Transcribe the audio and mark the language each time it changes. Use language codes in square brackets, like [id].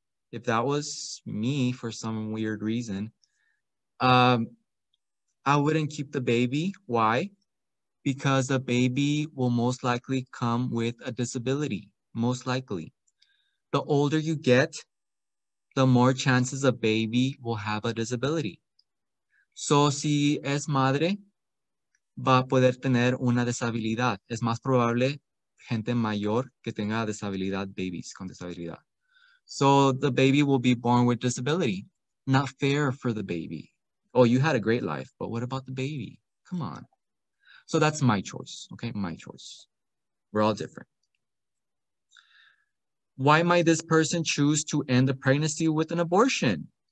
[en] if that was me for some weird reason, I wouldn't keep the baby. Why? Because the baby will most likely come with a disability. Most likely. The older you get, the more chances a baby will have a disability. [es] So si es madre, va a poder tener una desabilidad. Es más probable gente mayor que tenga desabilidad, babies con desabilidad. [en] So the baby will be born with disability. Not fair for the baby. Oh, you had a great life, but what about the baby? Come on. So that's my choice, okay? My choice. We're all different. Why might this person choose to end the pregnancy with an abortion?